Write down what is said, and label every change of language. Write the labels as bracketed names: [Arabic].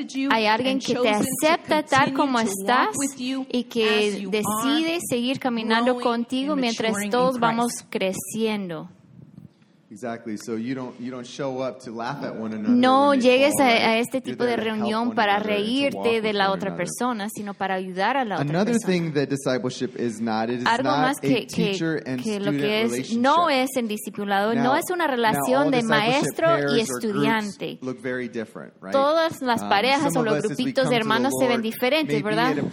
[Spanish] Hay alguien que te acepta tal como estás y que decide seguir caminando contigo mientras todos vamos creciendo. [English] Exactly. So you don't show up to laugh at one another. [Spanish] No llegues a este tipo de reunión para reírte de la otra persona, sino para ayudar a la otra persona. [English] Another thing that discipleship is not, it is not a teacher and student relationship. [Spanish] No es en discipulado, no es una relación de maestro y estudiante. [English] Look very different, right? [Spanish] Todas las parejas o los grupitos de hermanos se ven diferentes, ¿verdad?